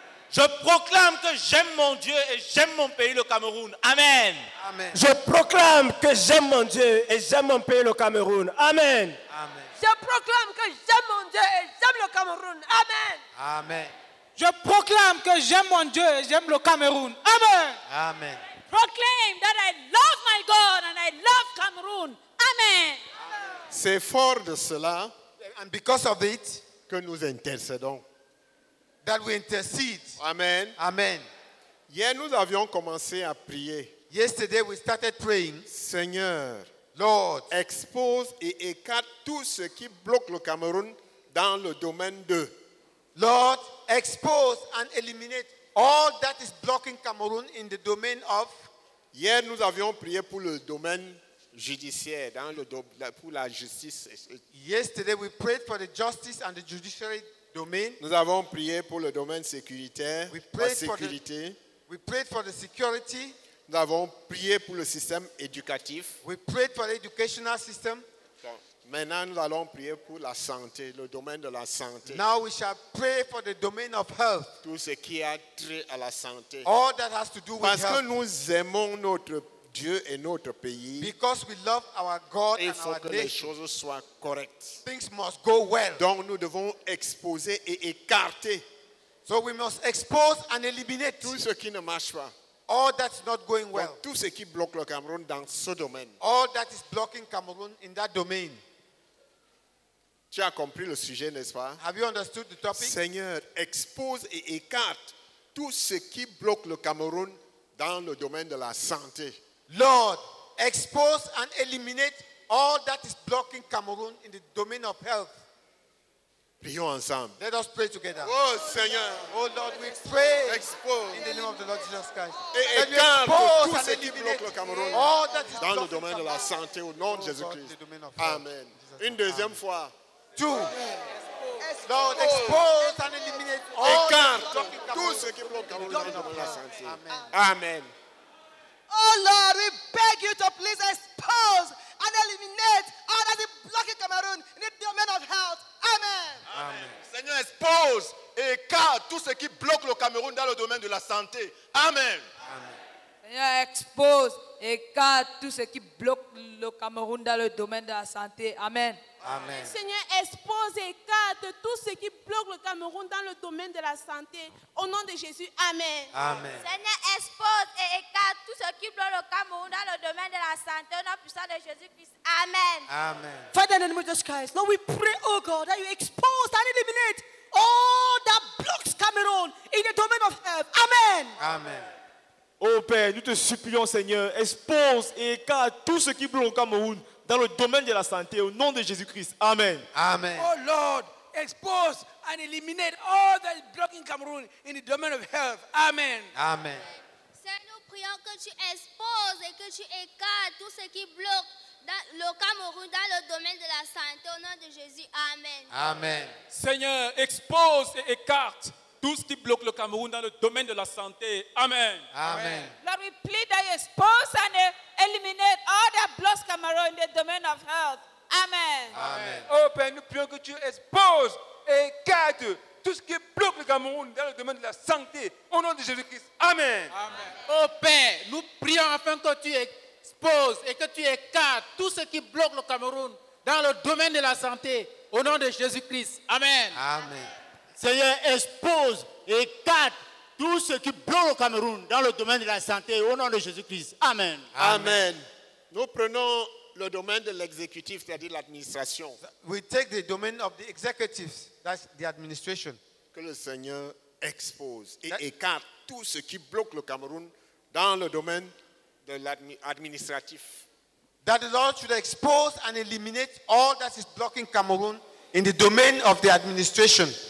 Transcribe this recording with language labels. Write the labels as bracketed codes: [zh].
[fr] Je proclame que j'aime mon Dieu et j'aime mon pays, le Cameroun. Amen. Amen. Je proclame que j'aime mon Dieu et j'aime mon pays, le Cameroun. Amen. Amen. Je proclame que j'aime mon Dieu et j'aime le Cameroun. Amen. Amen. Je proclame que j'aime mon Dieu et j'aime le Cameroun. Amen. Amen. [en] Proclaim that I love my God and I love Cameroon. Amen. [fr] C'est fort de cela, [en] and because of it, [fr] que nous intercédons. [en] That we intercede. Amen. Amen. [fr] Hier, nous avions commencé à prier. [en] Yesterday, we started praying. [fr] Seigneur, [en] Lord, [fr] expose et écarte tout ce qui bloque le Cameroun dans le domaine de. [en] Lord, expose and eliminate all that is blocking Cameroon in the domain of. [fr] Hier, nous avions prié pour le domaine judiciaire, dans le pour la justice. [en] Yesterday, we prayed for the justice and the judiciary. Domain. [fr] Nous avons prié pour le domaine sécuritaire, la sécurité. [en] We prayed for the security. [fr] Nous avons prié pour le système éducatif. [en] We prayed for the educational system. [fr] Maintenant, nous allons prier pour la santé, le domaine de la santé. [en] Now we shall pray for the domain of health. [fr] Tout ce qui a trait à la santé. [en] All that has to do with [fr] Parce [en] health. [fr] Parce que nous aimons notre Dieu et notre pays. [en] Because we love our God [fr] et [en] and our nation. [fr] Il faut que les choses soient correctes. [en] Things must go well. [fr] Donc nous devons exposer et écarter. [en] So we must expose and eliminate [fr] tout ce qui ne marche pas. [en] All that's not going well. [fr] Donc, tout ce qui bloque le Cameroun dans ce domaine. [en] All that is blocking Cameroon in that domain. [fr] Tu as compris le sujet, n'est-ce pas? [en] Have you understood the topic? [fr] Seigneur, expose et écarte tout ce qui bloque le Cameroun dans le domaine de la santé. [en] Lord, expose and eliminate all that is blocking Cameroon in the domain of health. [fr] Prions ensemble. [en] Let us pray together. [fr] Oh Seigneur. [en] Oh Lord, we pray [fr] expose. [en] In the name of the Lord Jesus Christ. [fr] Et [en] we expose [fr] tout [en] and eliminate [fr] le Cameroun [en] all that is [fr] dans le domaine de la santé au nom oh, de Jésus-Christ. [en] God, [fr] Amen. Amen. Une deuxième Amen. Fois. [en] Two. Expose. Lord, expose and eliminate all [fr] écarte tout ce qui bloque Cameroun dans le domaine de la santé. Amen. Amen. Oh [en] Lord, we beg you to please expose and eliminate all that is blocking Cameroon in the domain of health. Amen. Amen. [fr] Seigneur, expose et écarte tout ce qui bloque le Cameroun dans le domaine de la santé. Amen. Amen. Seigneur, expose et écarte tout ce qui bloque le Cameroun dans le domaine de la santé. Amen. Amen. Seigneur, expose et écarte tout ce qui bloque le Cameroun dans le domaine de la santé. Au nom de Jésus, amen. Amen. Seigneur, expose et écarte tout ce qui bloque le Cameroun dans le domaine de la santé. Au nom puissant de Jésus-Christ, amen. Amen. [en] Father, in the name of Jesus Christ, Lord, we pray, oh God, that you expose and eliminate all that blocks Cameroun in the domain of health. Amen. Amen. [fr] Oh Père, nous te supplions, Seigneur, expose et écarte tout ce qui bloque le Cameroun dans le domaine de la santé, au nom de Jésus-Christ. Amen. Amen. [en] Oh Lord, expose and eliminate all that is blocking Cameroon in the domain of health. Amen. Amen. [fr] Seigneur, nous prions que tu exposes et que tu écartes tout ce qui bloque dans le Cameroun dans le domaine de la santé, au nom de Jésus. Amen. Amen. Seigneur, expose et écarte tout ce qui bloque le Cameroun dans le domaine de la santé. Amen. Amen. [en] Lord, we plead that you expose and eliminate all that blocks Cameroun in the domain of health. Amen. Amen. [fr] Oh Père, nous prions que tu exposes et écartes tout ce qui bloque le Cameroun dans le domaine de la santé. Au nom de Jésus-Christ. Amen. Amen. Oh Père, nous prions afin que tu exposes et que tu écartes tout ce qui bloque le Cameroun dans le domaine de la santé. Au nom de Jésus-Christ. Amen. Amen. Seigneur, expose et écarte tout ce qui bloque le Cameroun dans le domaine de la santé, au nom de Jésus-Christ. Amen. Amen. Nous prenons le domaine de l'exécutif, c'est-à-dire l'administration. [en] We take the domain of the executive, that's the administration. [fr] Que le Seigneur expose et écarte tout ce qui bloque le Cameroun dans le domaine de l'administratif. [en] That the Lord should expose and eliminate all that is blocking Cameroon in the domain of the administration.